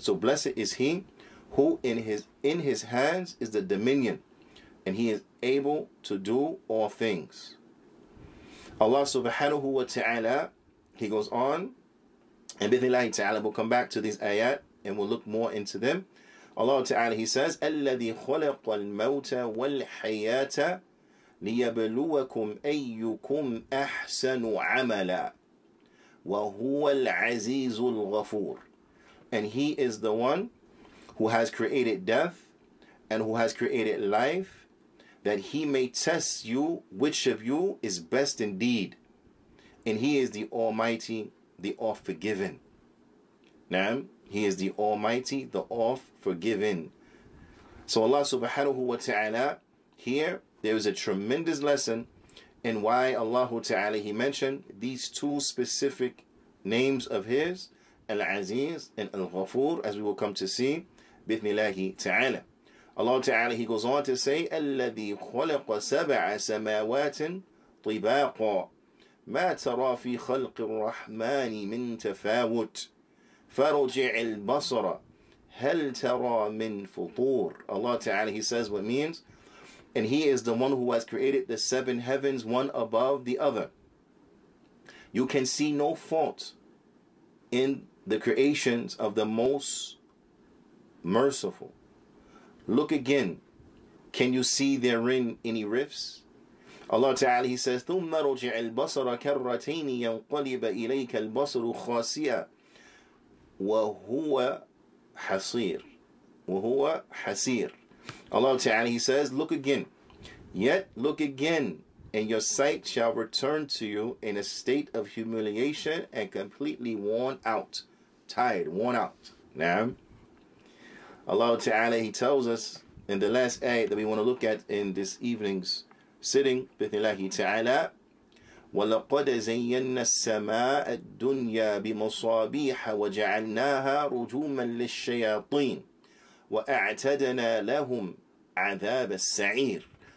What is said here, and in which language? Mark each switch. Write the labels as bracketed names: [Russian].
[English] So blessed is he who in his hands is the dominion, and he is able to do all things. Allah subhanahu wa ta'ala, He goes on, and bithillahi ta'ala, we'll come back to these ayat and we'll look more into them. Allah Ta'ala, He says, [Arabic] الَّذِي خَلَقَ الْمَوْتَ وَالْحَيَاةَ لِيَبْلُوَكُمْ أَيُّكُمْ أَحْسَنُ عَمَلًا وَهُوَ الْعَزِيزُ الْغَفُورُ. [English] And He is the one who has created death and who has created life, that He may test you which of you is best indeed. And He is the Almighty, the All-Forgiven. Naam. He is the Almighty, the All-Forgiven. So Allah subhanahu wa ta'ala, here there is a tremendous lesson in why Allah Ta'ala, He mentioned these two specific names of His, Al-Aziz and Al-Ghafur, as we will come to see, bithnillahi ta'ala. Allah Ta'ala, He goes on to say, [Arabic] الَّذِي خَلَقَ سَبْعَ سَمَاوَاتٍ طِبَاقًا ما ترى في خلق الرحمن من تفاوت فرجع البصر هل ترى من فطور. [English] Allah Ta'ala, he says what means, and he is the one who has created the seven heavens, one above the other. You can see no fault in the creations of the Most Merciful. Look again, can you see therein any rifts? Allah Ta'ala, he says, [Arabic] ثُمَّ رُجِعِ الْبَصَرَ كَرَّتَيْنِ يَنْقَلِبَ إِلَيْكَ الْبَصَرُ خَاسِيًا وَهُوَ حَصِيرٌ وَهُوَ حَصِيرٌ. [English] Allah Ta'ala, he says, look again, yet look again, and your sight shall return to you in a state of humiliation and completely worn out, tired, worn out. Now, Allah Ta'ala, he tells us in the last ayah that we want to look at in this evening's sitting, [Arabic] بِإِذْنِ اللَّهِ تَعَالَى وَلَقَدْ زَيَّنَّا السَّمَاءَ الدُّنْيَا بِمَصَابِيحَ وَجَعَلْنَاهَا رُجُومًا لِلشَّيَاطِينَ وَأَعْتَدَنَا لَهُمْ عَذَابَ السَّعِيرِ.